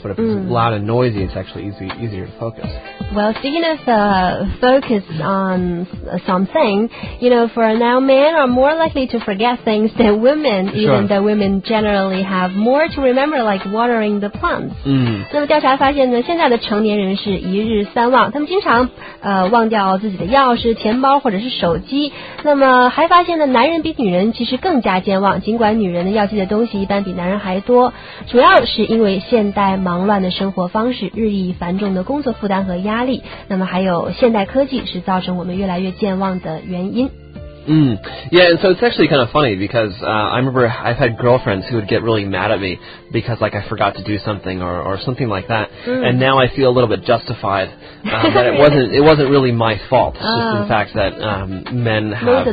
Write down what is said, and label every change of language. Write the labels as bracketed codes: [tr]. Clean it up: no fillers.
[en] But if it's loud and noisy, it's actually easier to focus. Well, speaking of focus on something, you know, for now men are more likely to forget things than women, even though women generally have more to remember, like watering the plant. [zh] 那么调查发现呢，现在的成年人是一日三忘，他们经常忘掉自己的钥匙、钱包或者是手机。那么还发现呢，男人比女人其实更加健忘，尽管女人的要记的东西一般比男人还多，主要是因为现代忙乱的生活方式、日益繁重的工作负担和压力。那么还有现代科技是造成我们越来越健忘的原因。 [en] Yeah, and so it's actually kind of funny because I remember I've had girlfriends who would get really mad at me because, like, I forgot to do something or something like that. And now I feel a little bit justified that it wasn't really my fault. It's just the fact that men have...